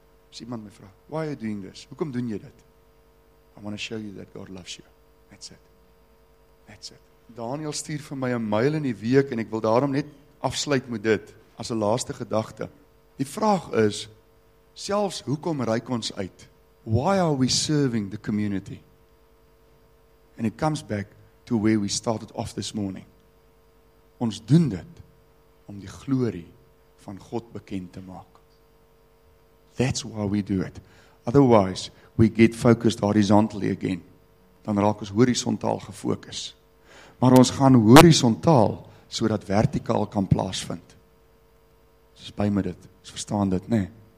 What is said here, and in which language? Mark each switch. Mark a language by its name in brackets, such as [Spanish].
[Afrikaans] As iemand my vra, [English] why are you doing this? [Afrikaans] Hoekom doen jy dit? [English] I want to show you that God loves you. That's it. That's it. [Afrikaans] Daniel stuur vir my 'n mail in die week en ek wil daarom net afsluit met dit as 'n laaste gedagte. Die vraag is, selfs hoekom reik ons uit? [English] Why are we serving the community? And it comes back to where we started off this morning. [Afrikaans] Ons doen dit om die glorie van God bekend te maak. [English] That's why we do it. Otherwise, we get focused horizontally again. [Afrikaans] Dan raak ons horisontaal gefokus. Maar ons gaan horisontaal sodat vertikaal kan plaasvind. Dis by my dit. Ons verstaan dit, né?